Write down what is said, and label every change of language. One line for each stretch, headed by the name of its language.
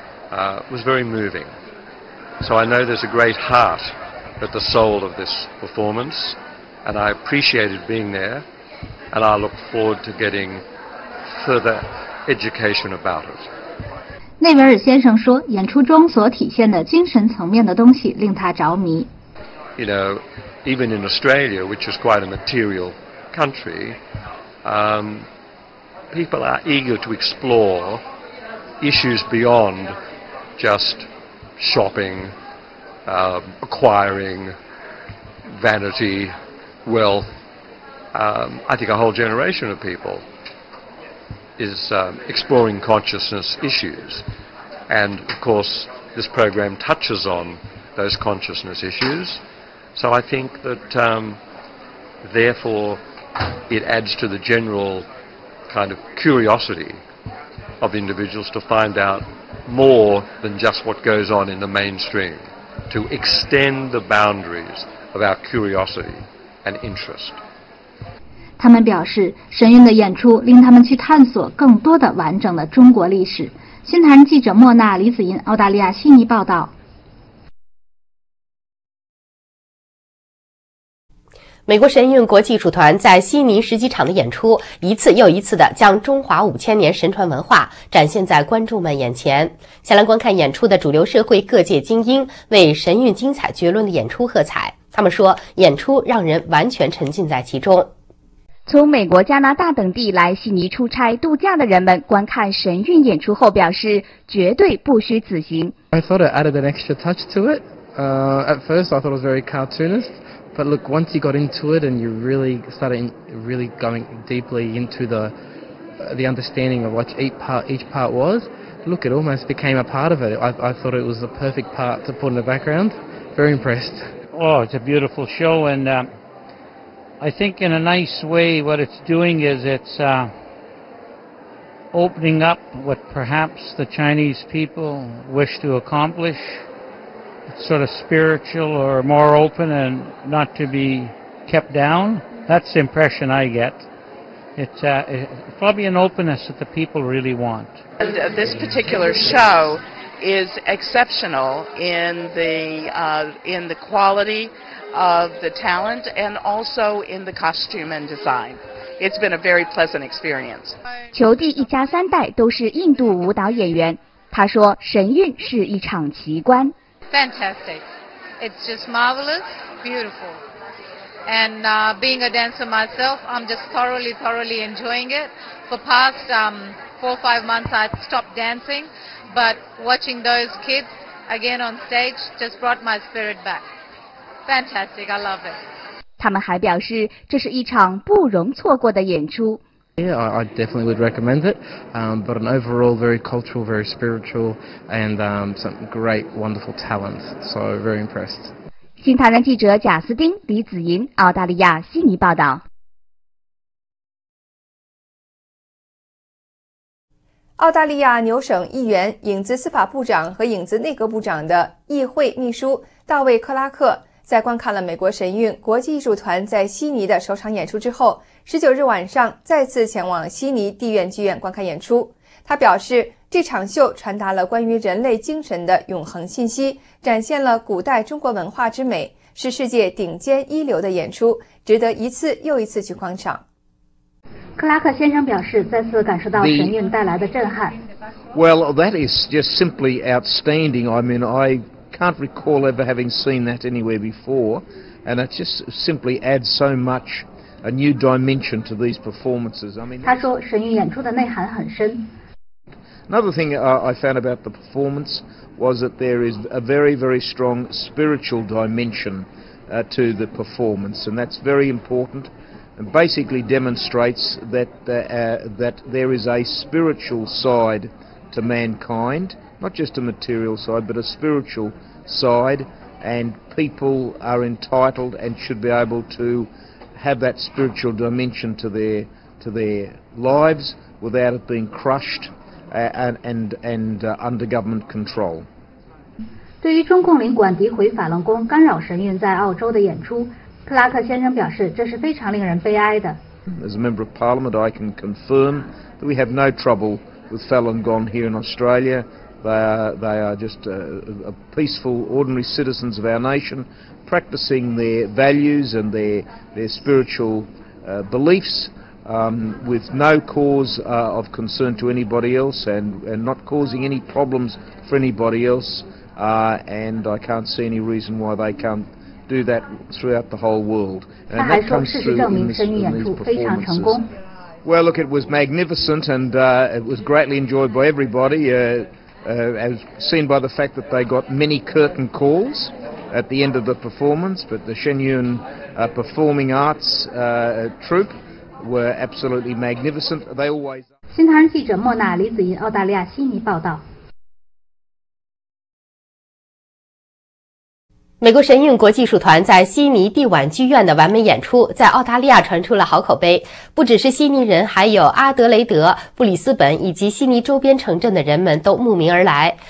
English: Was very moving. So I know there's a great heart at the soul of this performance, and I appreciated being there, and I look forward to getting further education about it.
Chinese: 内维尔先生说，演出中所体现的精神层面的东西令他着迷。
English: You know, even in Australia, which is quite a material country, people are eager to explore issues beyond just shopping, acquiring vanity, wealth. I think a whole generation of people is exploring consciousness issues. And of course, this program touches on those consciousness issues. So I think that therefore it adds to the general kind of curiosity of individuals to find out more than just what goes on in the mainstream, to extend the boundaries of our curiosity and interest.
Chinese: 他们表示，神韵的演出令他们去探索更多的完整的中国历史。新唐人记者莫娜、李子银，澳大利亚悉尼报道。美国神韵国际艺术团在悉尼十几场的演出，一次又一次的将中华五千年神传文化展现在观众们眼前。前来观看演出的主流社会各界精英为神韵精彩绝伦的演出喝彩，他们说演出让人完全沉浸在其中。从美国、加拿大等地来悉尼出差度假的人们观看神韵演出后表示，绝对不虚此行。
English: I thought it added an extra touch to it. At first, I thought it was very cartoonist. But look, once you got into it and you really started really going deeply into the understanding of what each part was, look, it almost became a part of it. I thought it was the perfect part to put in the background. Very impressed. Oh, it's a beautiful show and. I think in a nice way what it's doing is it's opening up what perhaps the Chinese people wish to accomplish. It's sort of spiritual or more open and not to be kept down. That's the impression I get. It's probably an openness that the people really want. And this particular show is exceptional in the quality of the talent and also in the costume and design. It's been a very pleasant experience.
Chinese: 裘蒂一家三代都是印度舞蹈演员，他说神韵是一场奇观。
English: Fantastic. It's just marvelous, beautiful. And being a dancer myself, I'm just thoroughly, thoroughly enjoying it. For past four or five months, I stopped dancing. But watching those kids again on stage just brought my spirit back. Fantastic, I love it.
Chinese: 他们还表示，这是一场不容错过的演出。
English: Yeah, I definitely would recommend it. But an overall very cultural, very spiritual, and some great, wonderful talents. So very impressed.
Chinese: 新唐人记者贾斯丁、李子银，澳大利亚悉尼报道。澳大利亚纽省议员、影子司法部长和影子内阁部长的议会秘书大卫·克拉克在观看了美国神韵国际艺术团在悉尼的首场演出之后，19日晚上再次前往悉尼地院剧院观看演出。他表示，这场秀传达了关于人类精神的永恒信息，展现了古代中国文化之美，是世界顶尖一流的演出，值得一次又一次去观赏。克拉克先生表示，再次感受到神韵带来的震撼。
English: Well, that is just simply outstanding. I mean, I can't recall ever having seen that anywhere before, and it just simply adds so much a new dimension to these performances. I mean,
Chinese: 他说神韵演出的内涵很深。
English: Another thing I found about the performance was that there is a very, very strong spiritual dimension to the performance, and that's very important. And basically demonstrates that, that there is a spiritual side to mankind, not just a material side, but a spiritual side, and people are entitled and should be able to have that spiritual dimension to their lives without it being crushed and under government control.
Chinese: 对于中共领馆诋毁法轮功干扰神韵在澳洲的演出，克拉克先生表示，这是非常令人悲哀的。
English: As a member of Parliament, I can confirm that we have no trouble with Falun Gong here in Australia. They are just a peaceful, ordinary citizens of our nation, practicing their values and their spiritual beliefs, with no cause of concern to anybody else and not causing any problems for anybody else, and I can't see any reason why they can't do that throughout the whole world. And that comes through in these performances. Well, look, it was magnificent, and it was greatly enjoyed by everybody, as seen by the fact that they got many curtain calls at the end of the performance, but the Shenyun Performing Arts troupe were absolutely magnificent. They always are.
Chinese: 新唐人记者莫娜、李子银，澳大利亚悉尼报道。美国神韵国际艺术团在悉尼帝宛剧院的完美演出在澳大利亚传出了好口碑，不只是悉尼人，还有阿德雷德、布里斯本以及悉尼周边城镇的人们都慕名而来。